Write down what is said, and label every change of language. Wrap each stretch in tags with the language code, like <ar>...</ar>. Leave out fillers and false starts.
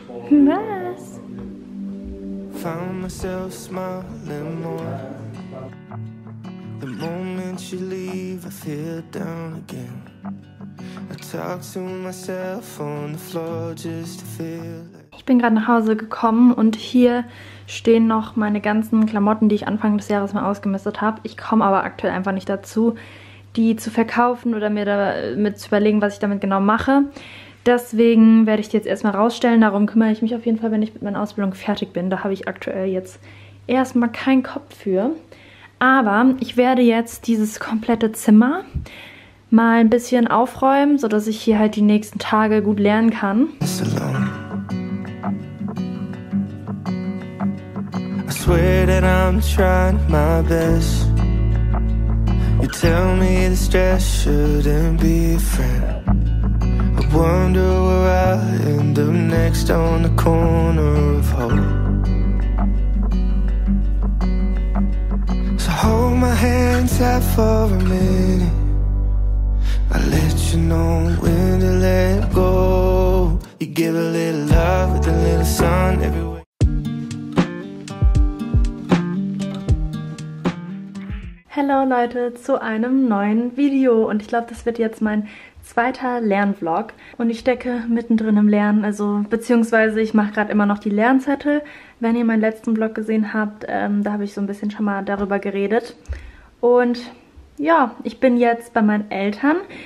<de>Was?</de> <en>Found myself smiling more. The moment you leave, I feel down again. I talk to myself on the floor just to feel.</en> <de>Ich bin gerade nach Hause gekommen und hier stehen noch meine ganzen Klamotten, die ich Anfang des Jahres mal ausgemistet habe. Ich komme aber aktuell einfach nicht dazu, die zu verkaufen oder mir damit zu überlegen, was ich damit genau mache. Deswegen werde ich die jetzt erstmal rausstellen. Darum kümmere ich mich auf jeden Fall, wenn ich mit meiner Ausbildung fertig bin. Da habe ich aktuell jetzt erstmal keinen Kopf für. Aber ich werde jetzt dieses komplette Zimmer mal ein bisschen aufräumen, sodass ich hier halt die nächsten Tage gut lernen kann.</de> <en>I swear that I'm trying my best. You tell me the stress shouldn't be a friend. I wonder where I'll end up next on the corner of hope. So hold my hand tight for a minute. I'll let you know when to let go. You give a little love with a little sun everywhere.</en> <de>Hallo Leute, zu einem neuen Video und ich glaube, das wird jetzt mein zweiter Lernvlog und ich stecke mittendrin im Lernen, also beziehungsweise ich mache gerade immer noch die Lernzettel. Wenn ihr meinen letzten Vlog gesehen habt, da habe ich so ein bisschen schon mal darüber geredet und ja, ich bin jetzt bei meinen Eltern.</de>